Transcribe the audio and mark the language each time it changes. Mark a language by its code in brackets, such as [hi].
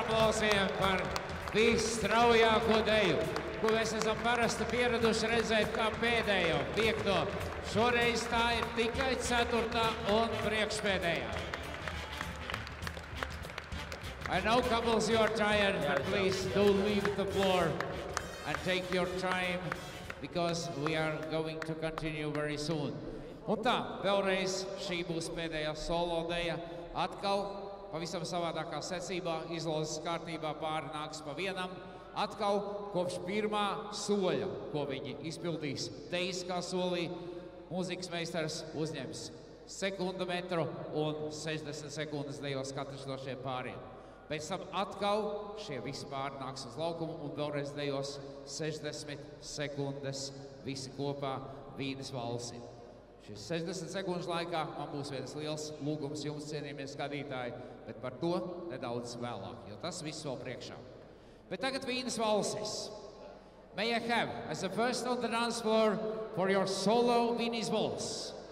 [lv] Straujāko deju, ko mēs esam parasti pieraduši redzēt kā pēdējo, piekto. Šoreiz tā ir tikai ceturtā un priekšpēdējā. [en] I know couples you are tired, but please do leave the floor and take your time, because we are going to continue very soon. [lv] Un tā, vēlreiz šī būs pēdējā solo deja. Atkal pavisam savādākā secībā, izlozes kārtībā pārnāks pa vienam. Atkal kopš pirmā soļa, ko viņi izpildīs teiskā solī, mūzikas meistars uzņems sekundu metru un 60 sekundes dejos katrs no šiem pāriem. Pēc tam atkal šie visi pāri nāks uz laukumu un vēlreiz dejos 60 sekundes visi kopā vīdes valsi. Šis 60 sekundes laikā man būs viens liels lūgums jums, cienījumie skatītāji, bet par to nedaudz vēlāk, jo tas viss vēl priekšā. Bet tagad vīnas valsis. [en] May I have, as the first on the dance floor, for your solo vīnas valsis.